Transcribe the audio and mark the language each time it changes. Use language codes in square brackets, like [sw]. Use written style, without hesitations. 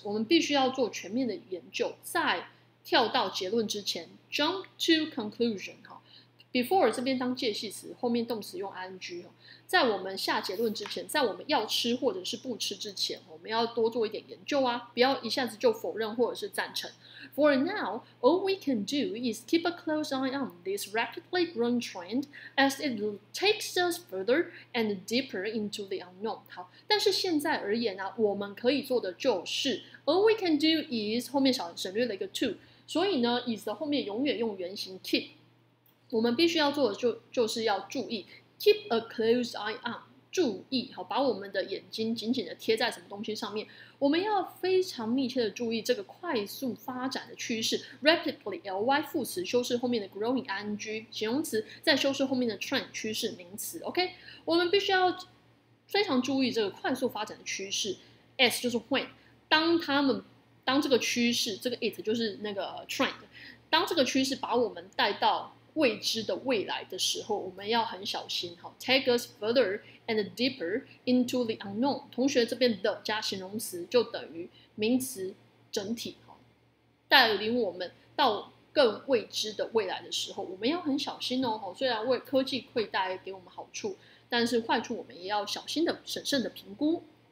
[zh] 我们必须要做全面的研究，在跳到结论之前 ， [en] jump to conclusion。 [zh] Before 这边当介系词，后面动词用 ing。在我们下结论之前，在我们要吃或者是不吃之前，我们要多做一点研究啊，不要一下子就否认或者是赞成。 [en] For now, all we can do is keep a close eye on this rapidly growing trend as it takes us further and deeper into the unknown. [zh] 好，但是现在而言啊，我们可以做的就是 [en] all we can do is [zh] 后面省略了一个 to， 所以呢 is 的后面永远用原形 keep。我们必须要做的 就是要注意 [en] keep a close eye on， [zh] 注意好，把我们的眼睛紧紧的贴在什么东西上面。我们要非常密切的注意这个快速发展的趋势 rapidly ly 副词修饰后面的 growing ing 形容词，再修饰后面的 trend 趋势名词。 OK， 我们必须要非常注意这个快速发展的趋势 ，as 就是 when， 当他们当这个趋势，这个 it 就是那个 trend， 当这个趋势把我们带到未知的未来的时候，我们要很小心。 [en] Take us further and deeper into the unknown。 [zh] 同学，这边的加形容词就等于名词整体，带领我们到更未知的未来的时候，我们要很小心哦。虽然为科技会带给我们好处，但是坏处我们也要小心的审慎的评估。